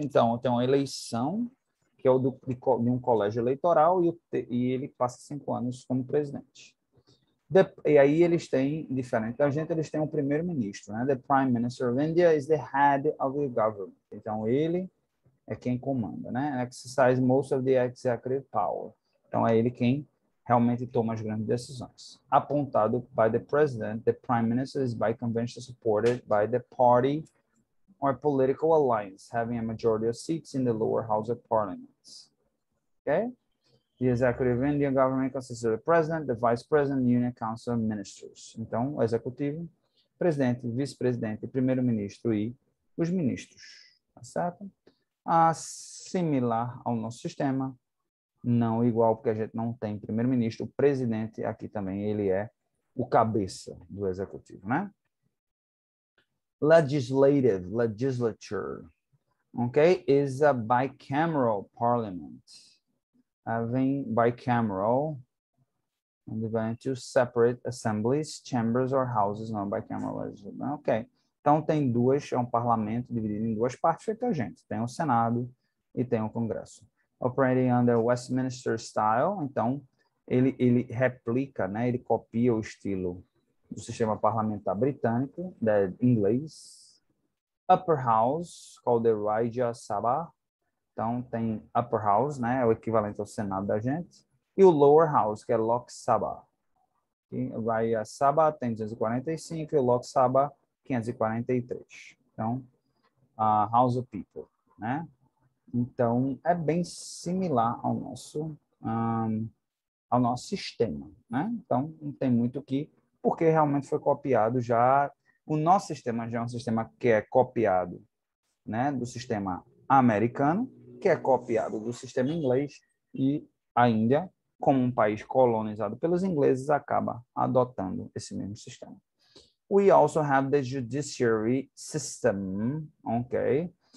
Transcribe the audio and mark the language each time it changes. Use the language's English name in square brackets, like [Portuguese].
[Portuguese] Então, tem uma eleição que é o de um colégio eleitoral e ele passa 5 anos como presidente. E aí eles têm, diferente da gente, eles têm um primeiro-ministro, né, [English] the prime minister of India is the head of the government. [Portuguese] Então, ele é quem comanda, né? [English] Exercise most of the executive power. [Portuguese] Então, é ele quem realmente toma as grandes decisões. [English] Apontado by the president, the prime minister is by convention supported by the party or political alliance, having a majority of seats in the lower house of parliaments. Ok? The executive Indian government consists of the president, the vice president, union council and ministers. [Portuguese] Então, o executivo, presidente, vice-presidente, primeiro-ministro e os ministros. Tá certo? Similar ao nosso sistema, não igual, porque a gente não tem primeiro-ministro, o presidente aqui também, ele é o cabeça do executivo, né? [English] Legislative, legislature, ok? Is a bicameral parliament. Having bicameral and divided into separate assemblies, chambers or houses, not bicameral legislature, ok? [Portuguese] Então, tem duas, é um parlamento dividido em duas partes, feito a gente. Tem o Senado e tem o Congresso. [English] Operating under Westminster style, [Portuguese] então, ele replica, né, ele copia o estilo do sistema parlamentar britânico, da inglês. [English] Upper House, called the Rajya Sabha. [Portuguese] Então, tem Upper House, né, é o equivalente ao Senado da gente. E o Lower House, que é Lok Sabha. Rajya Sabha tem 245 e o Lok Sabha 543. Então, House of People, né? Então, é bem similar ao nosso sistema, né? Então, não tem muito o que, porque realmente foi copiado já. O nosso sistema já é um sistema que é copiado, né, do sistema americano, que é copiado do sistema inglês, e a Índia, como um país colonizado pelos ingleses, acaba adotando esse mesmo sistema. [English] We also have the judiciary system, okay?